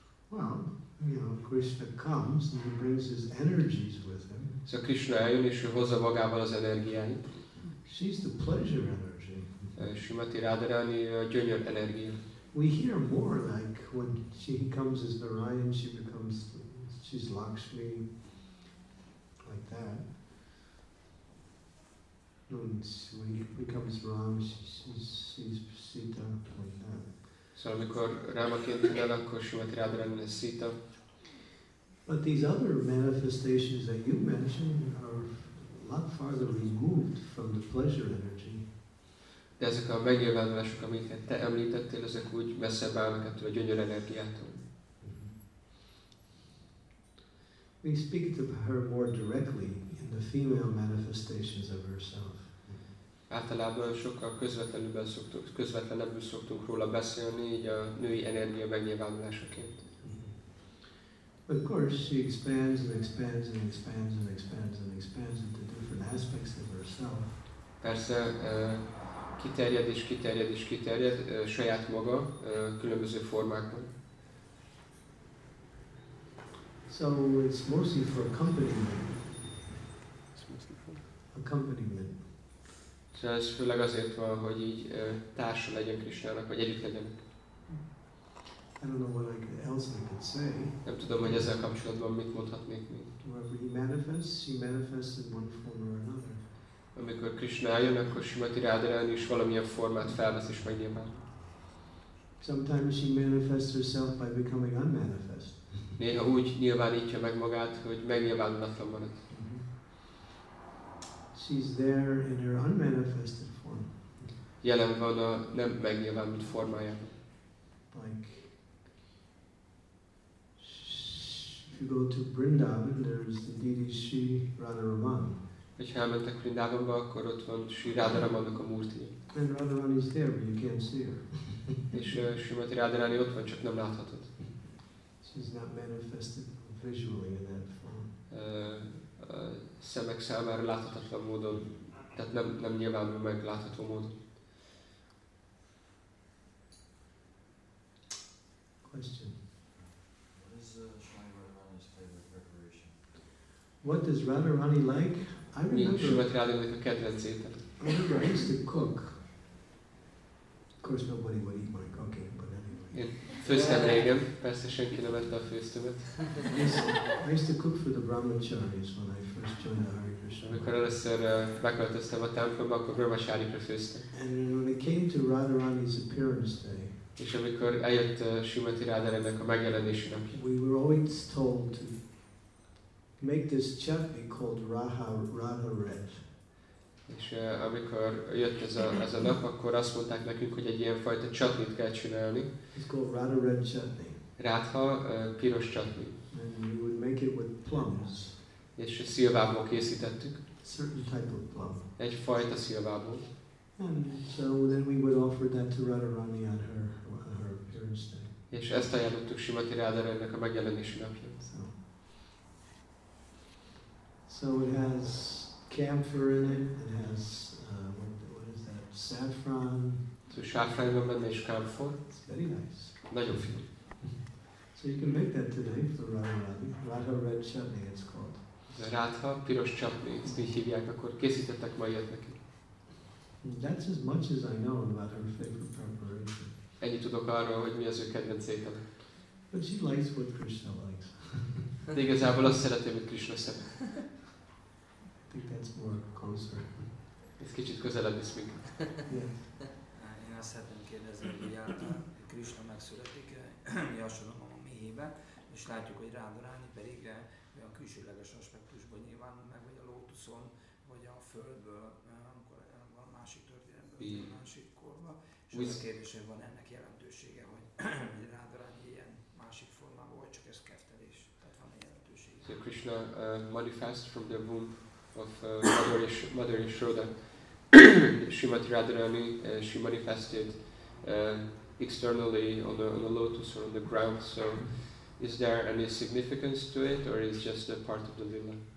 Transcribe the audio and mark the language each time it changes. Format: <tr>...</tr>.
<en>Well, you know, Krishna comes and he brings his energies with him.</en> <hu>So Krishna eljön és ő hozza magával az energiáit.</hu> <en>She's the pleasure energy.</en> <hu>Srimati Radharani a gyönyör energia.</hu> <en>We hear more like when she comes as Narayan, she's Lakshmi, like that. When she becomes Rama, she's Sita, like that.</en> <hu>Szóval amikor Rámaként jön, akkor Srimati Rádrádi lesz Szita.</hu> <en>But these other manifestations that you mentioned are a lot farther removed from the pleasure energy.</en> <hu>De ezek a megnyilvánulások, amiket te említettél, ezek úgy messzebb állnak ettől a gyönyör energiától.</hu> <en>We speak to her more directly in the female manifestations of herself.</en> <hu>Általában sokkal közvetlenebből szoktunk róla beszélni, így a női energia megnyilvánulásaként.</hu> <en>Of course, she expands and expands and expands and expands and expands into different aspects of herself.</en> <hu>Persze kiterjed és kiterjed és kiterjed saját maga különböző formákban.</hu> <en>So it's mostly for accompaniment. Accompaniment.</en> <hu>Szóval ez főleg azért van, hogy így társa legyen Krisnának, vagy együtt legyen.</hu> <en>I don't know what else I could say.</en> <hu>Nem tudom, hogy ezzel kapcsolatban mit mondhatnék még.</hu> <en>Wherever he manifests in one form or another.</en> <hu>Amikor Krishna eljön, akkor Srimati Rádrádi is valamilyen formát felvesz és megnyilván.</hu> <en>Sometimes she manifests herself by becoming unmanifest.</en> <hu>Néha úgy nyilvánítja meg magát, hogy megnyilvánulatlan marad.</hu> <en>She's there in her unmanifested form.</en> <hu>Jelen van a nem megnyilvánult formájában.</hu> <en>Like, if you go to Vrindavan, there's the deity Sri Radharaman.</en> <hu>Hogyha elmentek Vrindavanba, akkor ott van Sri Radharamannak a murti.</hu> <en>And Radharaman is there, but you can't see her.</en> <hu>És Srimati Radharani ott van, csak nem láthatod.</hu> <en>She's not manifested visually in that form.</en> <hu>Szemek számára láthatatlan módon, tehát nem nyilvánul meg látható módon.</hu> <en>Question. What is Srimati Radharani's favorite preparation? What does Radharani like? I remember.</en> <hu>Srimati Radharani a kedvenc étel.</hu> <en>I remember I used to cook. Of course nobody would eat my cooking, but anyway.</en> <hu>Én főztem régen, persze senki nem ette a főztömet.</hu> <en>I used to cook for the Brahmacharis when I first joined the Hare Krishna.</en> <hu>Amikor először beköltöztem a templomba, akkor Brahmacharikra főztem.</hu> <en>And when it came to Radharani's appearance day,</en> <hu>és amikor eljött Srimati Rádrádinak a megjelenési napja,</hu> <en>we were always told to make this chapi called Radha Red.</en> <hu>És amikor jött ez a nap, akkor azt mondták nekünk, hogy egy ilyen fajta csatnit kell csinálni.</hu> <en>It's called Radha Red chutney.</en> <hu>Radha piros csatni.</hu> <en>And you would make it with plums.</en> <hu>És szilvából készítettük.</hu> <en>Certain type of plum.</en> <hu>Egy fajta szilvából.</hu> <en>And so then we would offer that to Radharani on her appearance day.</en> <hu>És ezt ajánlottuk Simati Rádarának a megjelenési napján.</hu> <en>So it has camphor in it. It has what is that? Saffron.</en> <hu>So saffron van benne és camphor.</hu> <en>It's very nice.</en> <hu>Nagyon finom.</hu> <en>So you can make that today for Radharani. Radha Red Chutney, it's called.</en> <hu>Radha piros csapni, ezt így hívják, akkor készítettek ma ilyet neki.</hu> <en>That's as much as I know about her favorite preparation.</en> <hu>Ennyit tudok arról, hogy mi az ő kedvenc étele.</hu> <en>But she likes what Krishna likes.</en> <hu>De igazából azt szereti, amit Krishna szeret.</hu> <en>I think that's more closer.</en> <hu>Ez kicsit közelebb visz minket. Én azt szeretném kérdezni, hogy Krishna megszületik, mi hasonlom a méhében, és látjuk, hogy Rádarani pedig a külsőleges aspektusban nyilván meg, vagy a lótuszon, vagy a földből, amikor van másik történetben, vagy másik korban. És az a kérdés, hogy van ennek jelentősége, hogy Rádarani ilyen másik formában, vagy csak ez keftelés, tehát van egy jelentősége.</hu> <en>So Krishna manifests from the womb of Mother Yashoda. Srimati Rádarani, she manifested externally on the lotus or on the ground. So is there any significance to it, or is just a part of the lila?</en>